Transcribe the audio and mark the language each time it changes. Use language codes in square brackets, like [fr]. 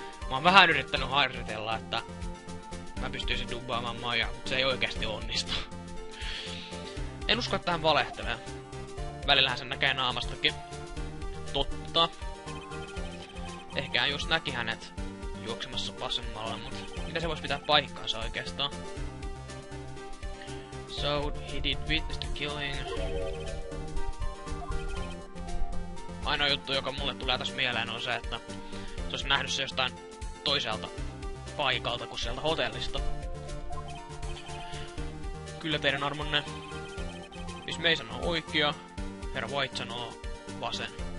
[fi] Mä oon vähän yrittänyt harjoitella, että mä pystyisin dubbaamaan Maijaa, mutta se ei oikeasti onnistu. En usko, että hän valehtelee. Välillähän sen näkee naamastakin. Totta. Ehkä hän just näki hänet juoksemassa vasemmalla, mutta mitä se voisi pitää paikkaansa oikeastaan? [en] So, he did witness the killing. [fi] Ainoa juttu, joka mulle tulee tässä mieleen, on se, että se olisi nähnyt se jostain toiselta paikalta kuin sieltä hotellista. Kyllä teidän armonne. Miss May sanoo oikea, herra White sanoo vasen.